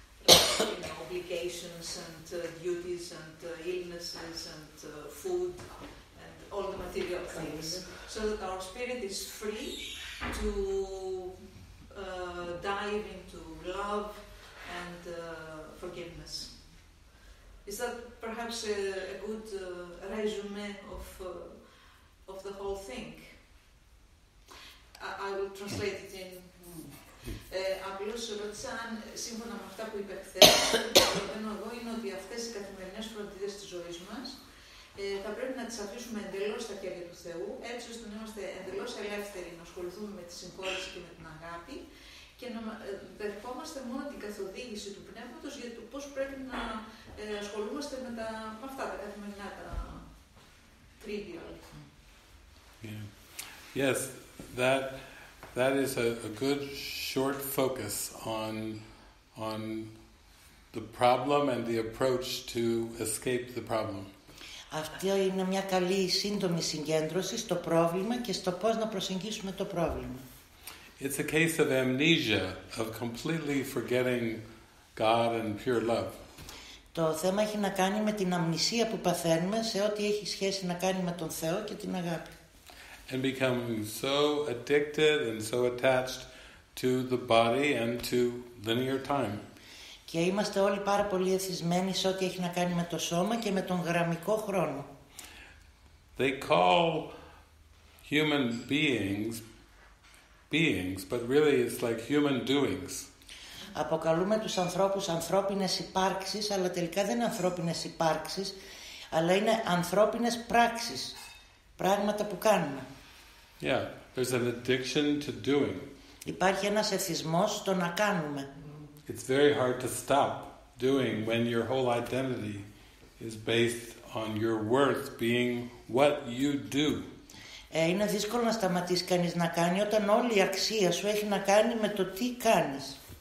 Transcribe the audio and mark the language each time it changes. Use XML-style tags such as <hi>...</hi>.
<en>You know, obligations and duties and illnesses and food and all the material things, so that our spirit is free to dive into love and forgiveness. Is that perhaps a good resume of the whole thing? I will translate it in.</en> <el>Απλώς ρώτησα αν σύμφωνα με αυτά που είπε χθες, το λέω εγώ είναι ότι αυτές οι καθημερινές φροντίδες της ζωής μας θα πρέπει να τις αφήσουμε εντελώς στα χέρια του Θεού, έτσι ώστε να είμαστε εντελώς ελεύθεροι να ασχοληθούμε με τη συγχώρεση και με την αγάπη και να δεχόμαστε μόνο την καθοδήγηση του Πνεύματος για το πώς πρέπει να ασχολούμαστε με αυτά τα καθημερινά τα trivial.</el> <en>Yes, that is a good short focus on the problem and the approach to escape the problem.</en> <el>Αυτή είναι μια καλή σύντομη συγκέντρωση στο πρόβλημα και στο πώς να προσεγγίσουμε το πρόβλημα.</el> <en>It's a case of amnesia, of completely forgetting God and pure love.</en> <el>Το θέμα έχει να κάνει με την αμνησία που παθαίνουμε σε ό,τι έχει σχέση να κάνει με τον Θεό και την αγάπη.</el> <en>And becoming so addicted and so attached to the body and to linear time.</en> <el>Και είμαστε όλοι πάρα πολύ εθισμένοι σε ό,τι έχει να κάνει με το σώμα και με τον γραμμικό χρόνο.</el> <en>They call human beings beings, but really it's like human doings.</en> <el>Αποκαλούμε τους ανθρώπους ανθρώπινες υπάρξεις, αλλά τελικά δεν είναι ανθρώπινες υπάρξεις, αλλά είναι ανθρώπινες πράξεις. Πράγματα που κάνουμε.</el> <en>Yeah, there's an addiction to doing.</en> <el>Υπάρχει ένας εθισμός στο να κάνουμε.</el> <en>It's very hard to stop doing when your whole identity is based on your worth being what you do.</en> <el>Είναι δύσκολο να σταματήσει κανείς να κάνει όταν όλη η αξία σου έχει να κάνει με το τι κάνεις.</el>